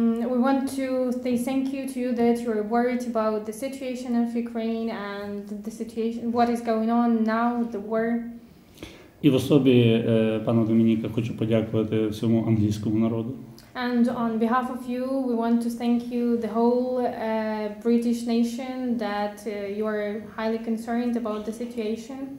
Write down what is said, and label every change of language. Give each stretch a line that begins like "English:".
English: We want to say thank you to you that you are worried about the situation of Ukraine and the situation, what is going on now, the war.
Ukrainian: І в особі пана Домініка хочу подякувати всьому англійському народу.
English: And on behalf of you, we want to thank you, the whole British nation, that you are highly concerned about the situation.